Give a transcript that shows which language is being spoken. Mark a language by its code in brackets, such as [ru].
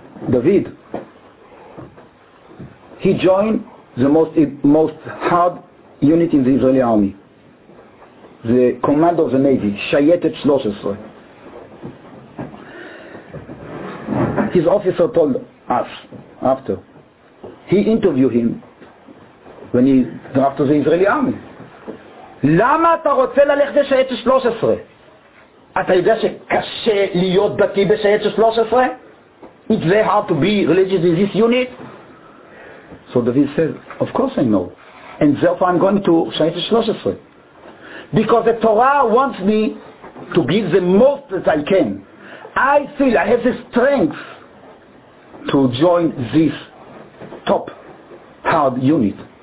[en] David, he joined the most hard unit in the Israeli army, the commander of the navy, Shayetet 13. His officer told us after. He interviewed him when he drafted the Israeli army. [he] למה אתה רוצה ללכת לשייטת 13? אתה יודע שקשה להיות דתי בשייטת 13? [en] It's very hard to be religious in this unit. So David said, of course I know. And therefore I'm going to Shayet 13. Because the Torah wants me to give the most that I can. I feel I have the strength to join this top hard unit.